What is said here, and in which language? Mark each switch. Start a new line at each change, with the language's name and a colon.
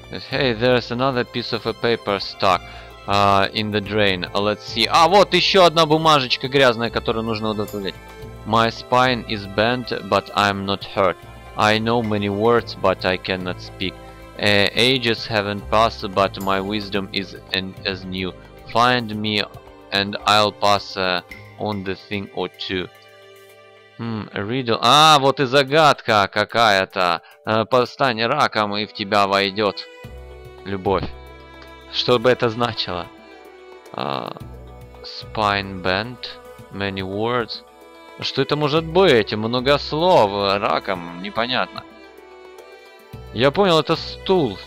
English: Hey, there's another piece of a paper stuck in the drain. Let's see.
Russian: А, вот еще одна бумажечка грязная, которую нужно удалить.
English: My spine is bent, but I'm not hurt. I know many words, but I cannot speak. Ages haven't passed, but my wisdom is as new. Find me, and I'll pass on the thing or two. A riddle.
Russian: А, вот и загадка какая-то. Постань раком, и в тебя войдет любовь. Что бы это значило?
English: Spine bent, many words.
Russian: Что это может быть? Много слов, раком, непонятно. Я понял, это стул.